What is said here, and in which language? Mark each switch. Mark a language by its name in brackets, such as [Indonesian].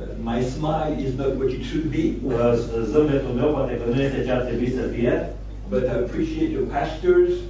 [English] My smile is not what it should be. [Romanian] Zâmbetul meu poate că nu este ce ar trebui să fie. [English] But I appreciate your pastors.